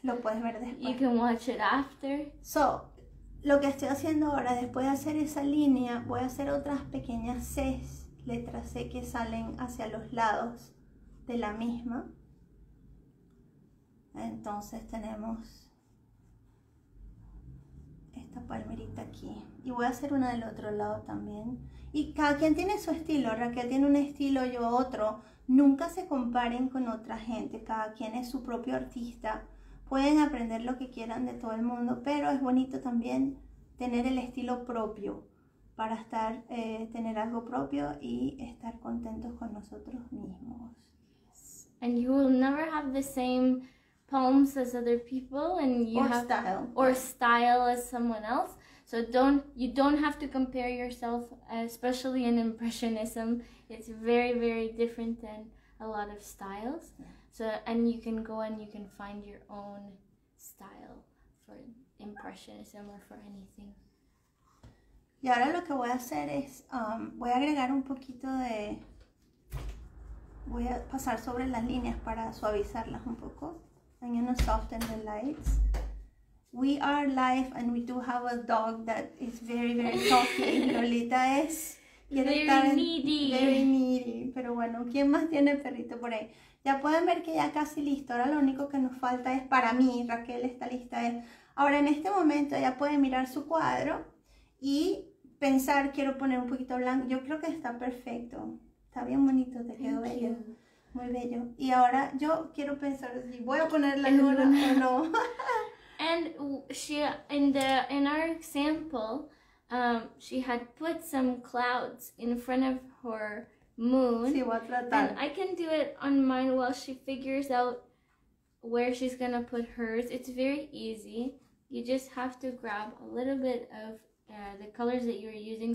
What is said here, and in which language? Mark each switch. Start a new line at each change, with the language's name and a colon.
Spanish: Lo puedes ver después.
English: You can watch it after.
Spanish: So, lo que estoy haciendo ahora, después de hacer esa línea, voy a hacer otras pequeñas Cs, letras C que salen hacia los lados de la misma. Entonces tenemos esta palmerita aquí. Y voy a hacer una del otro lado también. Y cada quien tiene su estilo. Raquel tiene un estilo, yo otro. Nunca se comparen con otra gente. Cada quien es su propio artista. Pueden aprender lo que quieran de todo el mundo, pero es bonito también tener el estilo propio para estar, tener algo propio y estar contentos con nosotros mismos.
English: And you will never have the same poems as other people, and you or have style. Or style as someone else. So you don't have to compare yourself, especially in impressionism. It's very, very different than a lot of styles. So, and you can go and you can find your own style for impressionism or for anything.
Spanish: Y ahora lo que voy a hacer es, voy a agregar un poquito de, voy a pasar sobre las líneas para suavizarlas un poco.
English: I'm going to soften the lights. We are live and we do have a dog that is very, very talky.
Spanish: Lolita es
English: very needy.
Spanish: Pero bueno, ¿quién más tiene perrito por ahí? Ya pueden ver que ya casi listo. Ahora lo único que nos falta es para mí. Raquel está lista. Ahora en este momento ya pueden mirar su cuadro y pensar, quiero poner un poquito blanco. Yo creo que está perfecto. Está bien bonito, te quedó bello. Muy bello. Y ahora yo quiero pensar si voy a poner la luna o no.
English: And she in our example, she had put some clouds in front of her moon.
Spanish: Sí, voy a tratar.
English: And I can do it on mine while she figures out where she's gonna put hers. It's very easy. You just have to grab a little bit of the colors that you're using.